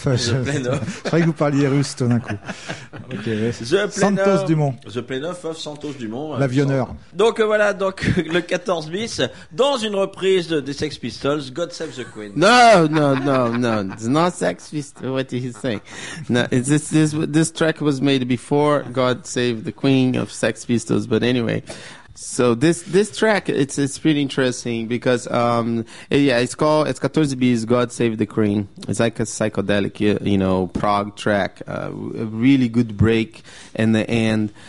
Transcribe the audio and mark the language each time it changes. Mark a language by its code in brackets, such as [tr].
[fr] Je croyais que vous parliez russe tout d'un coup. [en] The plane of Santos Dumont. [fr] L'avionneur. Donc voilà, donc le 14 bis, dans une reprise des Sex Pistols, God Save the Queen. [en] No. It's not Sex Pistols. What did he say? No, it's this track was made before God Save the Queen of Sex Pistols, but anyway. So this track, it's pretty interesting because, it's 14 Bs, God Save the Queen. It's like a psychedelic, you know, prog track, a really good break in the end.